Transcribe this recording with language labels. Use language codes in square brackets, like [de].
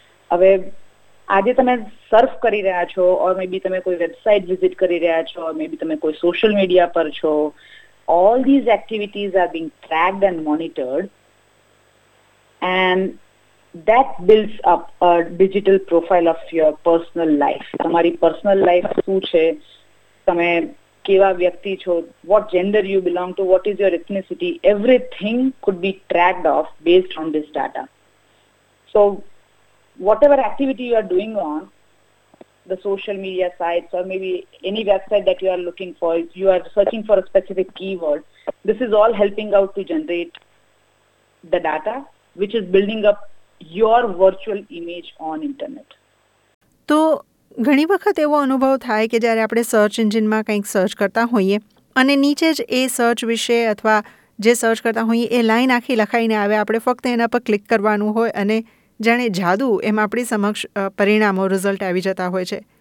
[gu] હવે આજે તમે સર્ફ કરી રહ્યા છો, ઓર મે બી તમે કોઈ વેબસાઇટ વિઝિટ કરી રહ્યા છો, મે બી તમે કોઈ સોશિયલ મીડિયા પર છો, [en] All these activities are being tracked and monitored, and that builds up a digital profile of your personal life. [gu] Tamari personal life su che, tame keva vyakti chho, [en] what gender you belong to, what is your ethnicity, everything could be tracked off based on this data. So whatever activity you are doing on the social media sites, or maybe any website that you are looking for, you are searching for a specific keyword, this is all helping out to generate the data which is building up your virtual image on internet. [gu] તો ઘણી વખત એવો અનુભવ થાય કે જ્યારે આપણે search એન્જિનમાં કંઈક સર્ચ કરતા હોઈએ અને નીચે જ એ સર્ચ વિશે અથવા જે સર્ચ કરતા હોઈએ એ લાઈન આખી લખાઈને આવે, આપણે ફક્ત એના પર ક્લિક કરવાનું હોય અને જાણે જાદુ એમ આપણી સમક્ષ પરિણામો, રિઝલ્ટ આવી જતા હોય છે.